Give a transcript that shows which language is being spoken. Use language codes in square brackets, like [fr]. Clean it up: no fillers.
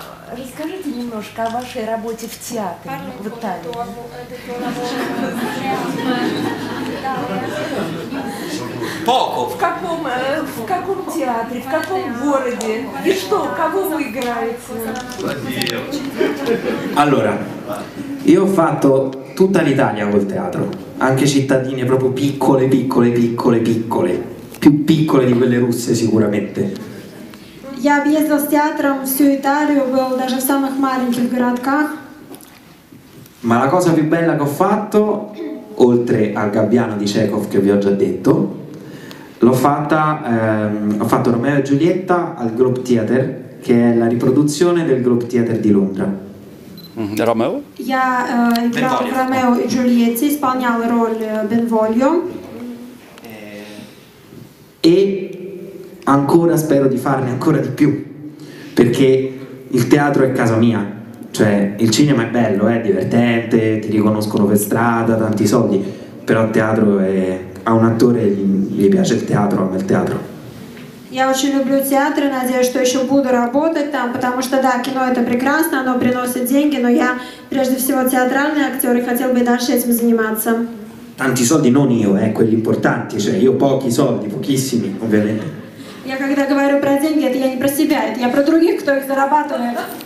[ru] Расскажите немножко о вашей работе в театре в Италии. [it] Poco. [ru] В каком театре, в каком городе? И что, кого вы играете? [it] Allora, io ho fatto tutta l'Italia col teatro, anche cittadine proprio piccole. Più piccole di quelle russe sicuramente. [ru] Я объездил с театром всю Италию, был даже в самых маленьких городках. [it] Ma la cosa più bella che ho fatto, oltre al Gabbiano di Chekhov che vi ho già detto, ho fatto Romeo e Giulietta al Globe Theater, che è la riproduzione del Globe Theater di Londra. Romeo? [ru] Я играл в Romeo e Giulietta, исполнял роль Бенволио. [it] E ancora spero di farne ancora di più, perché il teatro è casa mia, cioè il cinema è bello, è divertente, ti riconoscono per strada, tanti soldi, però il teatro è... a un attore gli piace il teatro, a me il teatro. [ru] Я очень люблю театр и надеюсь, что еще буду работать там, потому что да, кино это прекрасно, оно приносит деньги, но я прежде всего театральный актер и хотел бы дальше этим заниматься. [it] Tanti soldi, non io, quelli importanti, cioè io pochi soldi, pochissimi, ovviamente. [ru] Я когда говорю про деньги, это я не про себя, это я про других, кто их зарабатывает.